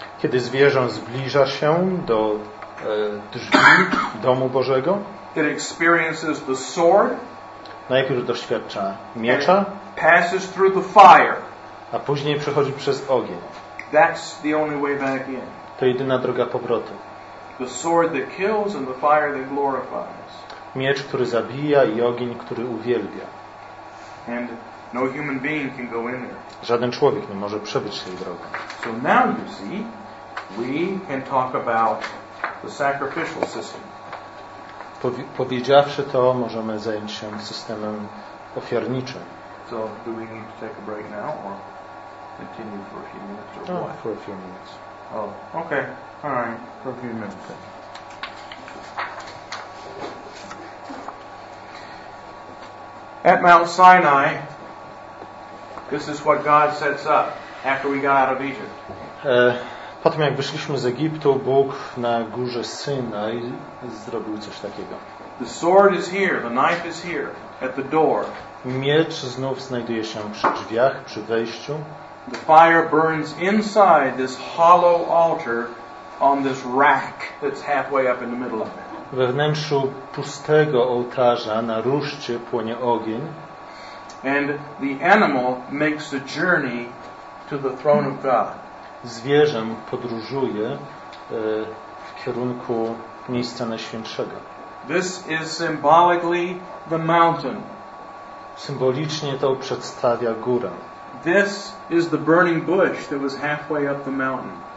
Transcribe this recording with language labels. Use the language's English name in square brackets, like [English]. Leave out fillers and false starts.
[Polish] kiedy zwierzę zbliża się do drzwi domu Bożego, [English] it experiences the sword, [Polish] najpierw doświadcza miecza, [English] passes through the fire, [Polish] a później przechodzi przez ogień. [English] That's the only way back in. [Polish] To jedyna droga powrotu. [English] The sword that kills and the fire that glorifies. [Polish] Miecz, który zabija, i ogień, który uwielbia. [English] And no human being can go in there. [Polish] Żaden człowiek nie może przebyć tej drogi. [English] So now you see, we can talk about the sacrificial system. [Polish] Powiedziawszy to, możemy zająć się systemem ofiarniczym. [English] So do we need to take a break now or continue for a few minutes or what? For a few minutes. Oh, okay. All right. For a few minutes. Okay. At Mount Sinai, this is what God sets up after we got out of Egypt. [Polish] Po tym, jak wyszliśmy z Egiptu, Bóg na górze Synaj zrobił coś takiego. [English] The sword is here, the knife is here, at the door. [Polish] Miecz znów znajduje się przy drzwiach, przy wejściu. [English] The fire burns inside this hollow altar on this rack that's halfway up in the middle of it. [Polish] We wnętrzu pustego ołtarza na ruszcie płonie ogień. [English] And the animal makes the journey to the throne of God. [Polish] Zwierzę podróżuje w kierunku miejsca najświętszego. [English] This is symbolically the mountain. [Polish] Symbolicznie to przedstawia górę. [English] This is the burning bush that was halfway up the mountain.